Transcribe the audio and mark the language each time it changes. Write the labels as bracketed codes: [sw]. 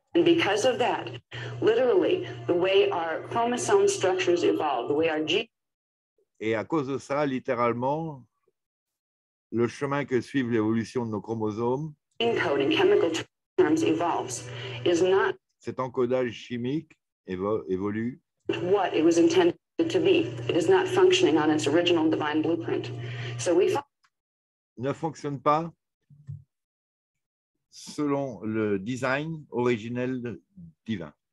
[en] And because of that, literally, the way our chromosome structures evolve, the way our genes. [fr] Et à cause de ça, littéralement, le chemin que suivent l'évolution de nos chromosomes. [en] Encoding chemical terms evolves is not. [fr] Cet encodage chimique évolue. [en] What it was intended to be, it is not functioning on its original divine blueprint. So we. [fr] Ne fonctionne pas selon le design originel divin.